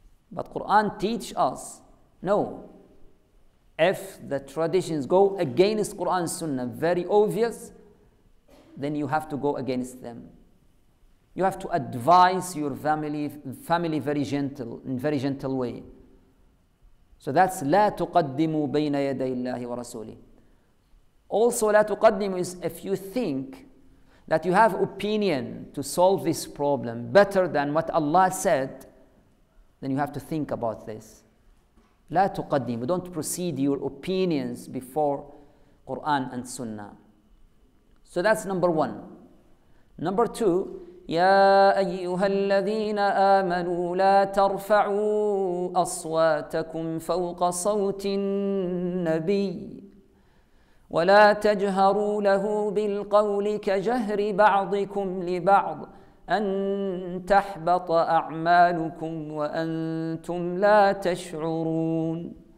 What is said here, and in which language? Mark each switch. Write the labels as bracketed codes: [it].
[en] But Quran teach us, no. If the traditions go against Quran Sunnah, very obvious, then you have to go against them. You have to advise your family very gentle way. So that's [ar] لا تقدموا بين يدي الله ورسوله. [en] Also, [ar] لا تقدموا [en] is if you think that you have opinion to solve this problem better than what Allah said, then you have to think about this. [ar] لا تقدموا, [en] don't proceed your opinions before Quran and Sunnah. So that's number one. Number two, [ar] يا أيها الذين آمنوا لا ترفعوا أصواتكم فوق صوت النبي ولا تجهروا له بالقول كجهر بعضكم لبعض أن تحبط أعمالكم وأنتم لا تشعرون.